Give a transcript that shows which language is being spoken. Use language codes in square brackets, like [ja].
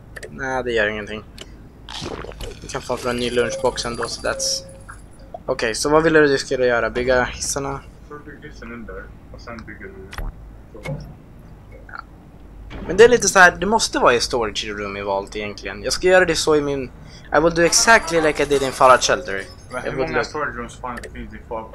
[sv] Nah, det gör ingenting. Vi kan få en ny lunchbox ändå, så [en] that's... [sv] Okej, okay, så vad ville du att skulle göra? Bygga hissarna? För att bygga hissen under, och sen bygger du... Men det är lite så här, det måste vara i storage room i Vault egentligen. Jag ska göra det så i min... [en] I will do exactly like I did in Fallout Shelter. [sv] Men hur många storage rooms finns i Fallout?